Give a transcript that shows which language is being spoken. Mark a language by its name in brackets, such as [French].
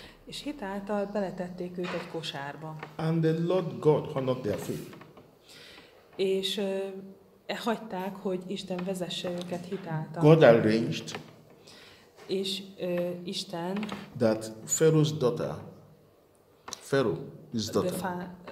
[Hungarian] És hit által beletették őt egy kosárba. [English] And the Lord God honored their faith. [Hungarian] És hagyták, hogy Isten vezesse őket hit által. [English] God arranged. [Hungarian] És Isten [English] that Pharaoh's daughter, Pharaoh's daughter.